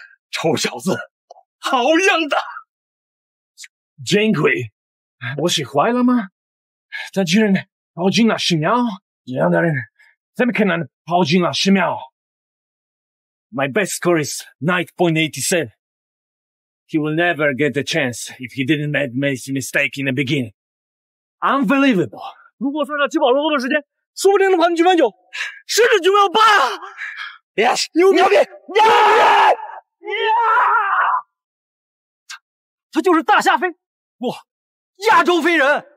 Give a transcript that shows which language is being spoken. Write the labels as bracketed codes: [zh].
[zh] 臭小子，好样的！真鬼，我喜欢了吗？咱居然跑进了十秒，这样的人怎么可能跑进了十秒？ [en] My best score is 9.87. He will never get the chance if he didn't make this mistake in the beginning. Unbelievable. [zh] 如果算上起跑落后的时间，说不定能跑进九秒九，甚至九秒八啊！ [en] Yes, [zh] 牛逼！呀呀！他就是大夏飞，哇，亚洲飞人！